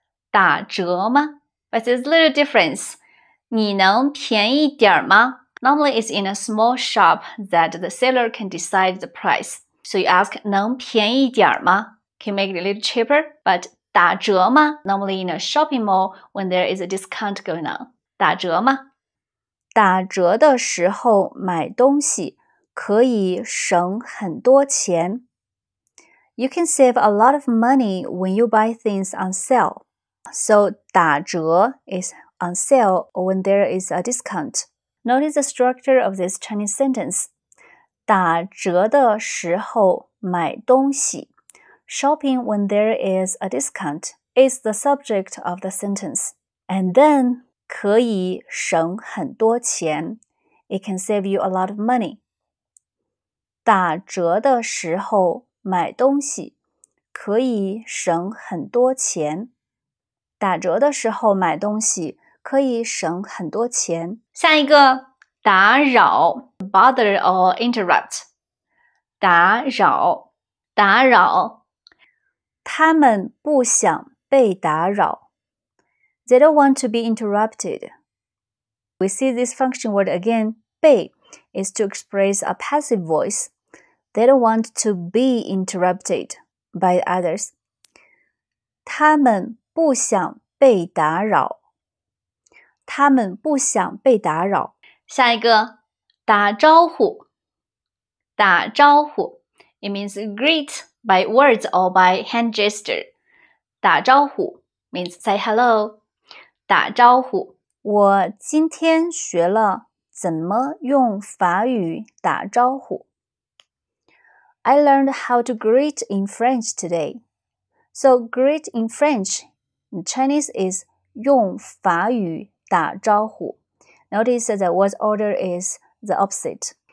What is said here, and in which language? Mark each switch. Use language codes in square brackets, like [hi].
[zh] 打折吗? [en] But there's a little difference. [zh] 你能便宜点吗? [en] Normally, it's in a small shop that the seller can decide the price. So you ask, [zh] 能便宜点吗? [en] Can make it a little cheaper. But 打折吗?Normally in a shopping mall when there is a discount going on. [zh] 打折吗? 打折的时候买东西可以省很多钱。 [en] You can save a lot of money when you buy things on sale. So, 打折 is on sale when there is a discount. Notice the structure of this Chinese sentence. [zh] 打折的时候买东西。 [en] Shopping when there is a discount is the subject of the sentence. And then, [zh] 可以省很多钱。 [en] It can save you a lot of money. [zh] 打折的时候买东西可以省很多钱。打折的时候买东西可以省很多钱。下一个打扰 [en] bother or interrupt. [zh] 打扰打扰。他们不想被打扰。 [en] They don't want to be interrupted. We see this function word again. 被 is to express a passive voice. They don't want to be interrupted by others. [zh] 他们不想被打扰。他们不想被打扰。下一个，打招呼。打招呼 [en] ，it means greet by words or by hand gesture. 打招呼 means say hello. 打招呼。 [zh] 我今天学了怎么用法语打招呼。 [en] I learned how to greet in French today. So greet in French, in Chinese is [zh] 用法语打招呼。 [en] Notice that the word order is the opposite.